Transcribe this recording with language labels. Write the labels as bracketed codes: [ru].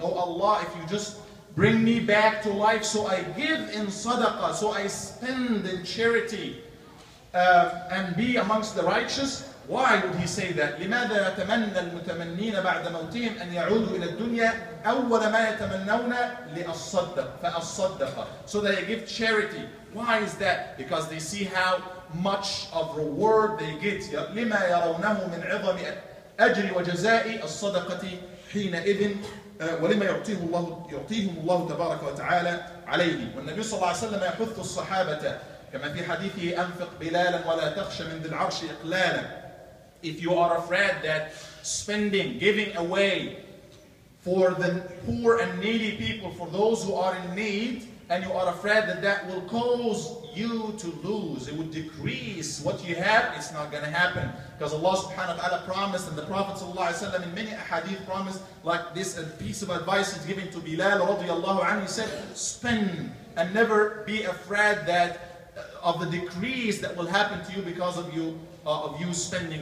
[en] Oh Allah, if you just bring me back to life so I give in sadaqah, so I spend in charity and be amongst the righteous, why would he say that? [ar] لِمَاذَا يَتَمَنَّ الْمُتَمَنِّينَ بَعْدَ مَوْتِهِمْ أَنْ يَعُودُوا إِلَى الدُّنْيَا أَوَّلَ مَا يَتَمَنَّوْنَ لِأَصَّدَّقَ فَأَصَّدَّقَ. [en] So that they give charity. Why is that? Because they see how much of reward they get. [ar] لما يرونه من عظم أجر وجزاء الصدقة حينئذ ولما يعطيهم الله تبارك وتعالى عليه. والنبي صلى الله عليه وسلم يحث الصحابة كما في حديثه أنفق بلالا ولا تخش من ذي العرش إقلالا. [en] If you are afraid that spending, giving away for the poor and needy people, for those who are in need, and you are afraid that that will cause you to lose, it would decrease what you have, it's not going to happen. Because Allah subhanahu wa ta'ala promised, and the Prophet sallallahu alayhi wa sallam in many ahadith promised, like this piece of advice is given to Bilal radiallahu anhu, he said, spend and never be afraid that of the decrease that will happen to you because of you spending.